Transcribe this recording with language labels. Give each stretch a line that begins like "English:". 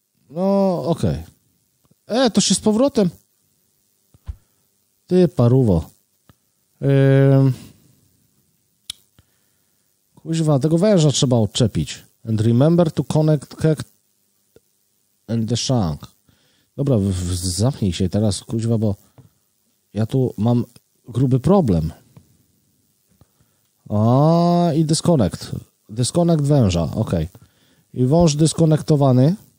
Polish: No, okej. Okay. To się z powrotem. Ty, paruwo. Kuźwa, tego węża trzeba odczepić.
English: And remember to connect keg and the shank.
Polish: Dobra, zamknij się teraz, kuźwa, bo ja tu mam gruby problem. A i disconnect. Disconnect węża, okej. Okay. I wąż dyskonektowany.